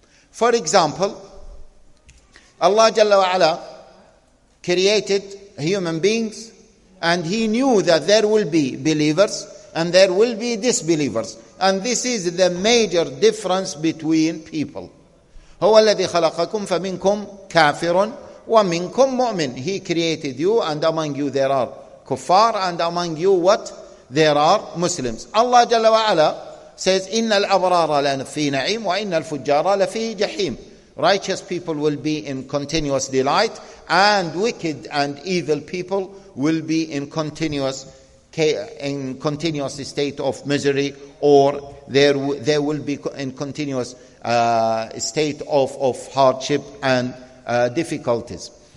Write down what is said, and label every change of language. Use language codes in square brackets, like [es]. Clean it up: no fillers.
[en] For example, Allah Jalla wa'ala created human beings and he knew that there will be believers and there will be disbelievers. And this is the major difference between people. [ar] هو الذي خلقكم فمنكم كافر ومنكم مؤمن. [en] He created you and among you there are kuffar and among you what? There are Muslims. Allah Jalla wa'ala says, [ar] إِنَّ الْأَبْرَارَ لَفِي نَعِيمٍ وَإِنَّ الْفُجَّارَ لَفِي جَحِيمٍ. [en] Righteous people will be in continuous delight and wicked and evil people will be in continuous state of misery or they will be in continuous state of hardship and difficulties.